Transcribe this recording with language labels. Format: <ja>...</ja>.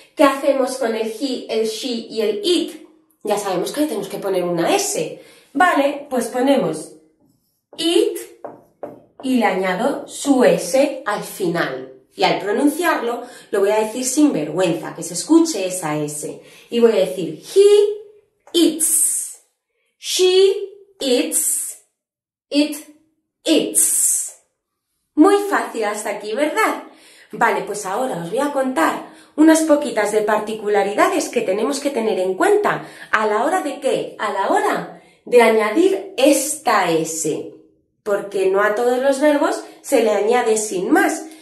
<es>¿Qué hacemos con el he, el she y el it? Ya sabemos que tenemos que poner una S. Vale, pues ponemos it y le añado su S al final. Y al pronunciarlo, lo voy a decir sin vergüenza, que se escuche esa S. Y voy a decir</es> <en>he eats, she eats, it eats.</en> <es>Muy fácil hasta aquí, ¿verdad? Vale, pues ahora os voy a contar unas poquitas de particularidades que tenemos que tener en cuenta. ¿A la hora de qué? A la hora de añadir esta S. Porque no a todos los verbos se le añade sin más.</es>